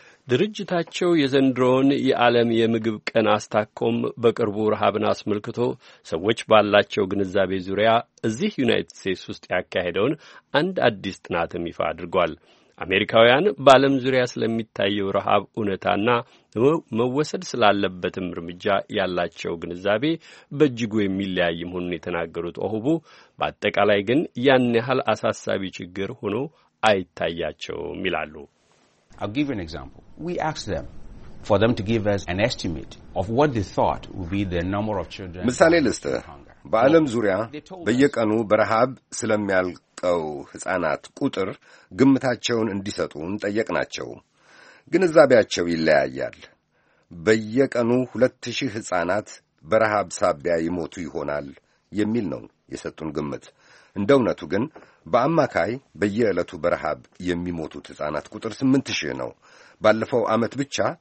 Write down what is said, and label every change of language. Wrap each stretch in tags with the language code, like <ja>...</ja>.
<am>ድርጅታቸው የዘንድሮን የዓለም የምግብ ቀን አስታኮም በቅርቡ ረሃብን አስመልክቶ ሰዎች ባላቸው ግንዛቤ ዙሪያ እዚህ ዩናይትድ ስቴትስ ውስጥ ያካሄደውን አንድ አዲስ ጥናትም ይፋ አድርጓል። አሜሪካውያን በዓለም ዙሪያ ስለሚታየው ረሃብ እውነታና መወሰድ ስላለበትም እርምጃ ያላቸው ግንዛቤ በእጅጉ የሚለያይ መሆኑን የተናገሩት ኦሁቡ በአጠቃላይ ግን ያን ያህል አሳሳቢ ችግር ሆኖ አይታያቸውም ይላሉ።</am> <en>I'll give you an example. We asked them for them to give us an estimate of what they thought would be the number of children.</en> <am>ምሳሌ ልስጥ። በዓለም ዙሪያ በየቀኑ በረሃብ ስለሚያልቀው ሕፃናት ቁጥር ግምታቸውን እንዲሰጡን ጠየቅናቸው። ግንዛቤያቸው ይለያያል። በየቀኑ 2000 ሕፃናት በረሃብ ሳቢያ ይሞቱ ይሆናል የሚል ነው የሰጡን ግምት። እንደውነቱ ግን በአማካይ በየዕለቱ በረሃብ የሚሞቱት ሕፃናት ቁጥር 8000 ነው። ባለፈው ዓመት ብቻ</am>